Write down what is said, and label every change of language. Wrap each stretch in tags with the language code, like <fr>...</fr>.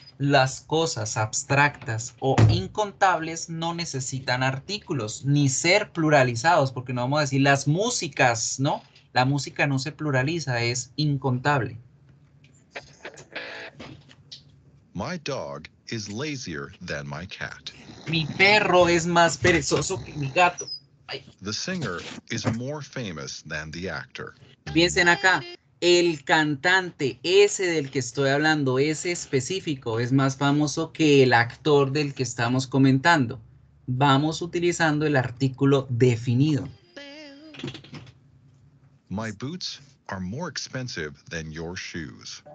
<es>Las cosas abstractas o incontables no necesitan artículos ni ser pluralizados, porque no vamos a decir las músicas, ¿no? La música no se pluraliza, es incontable.</es> <en>My dog is lazier than my cat.</en> <es>Mi perro es más perezoso que mi gato. Ay.</es> <en>The singer is more famous than the actor.</en> <es>Piensen acá. El cantante, ese del que estoy hablando, ese específico, es más famoso que el actor del que estamos comentando. Vamos utilizando el artículo definido.</es> <en>My boots are more expensive than your shoes.</en>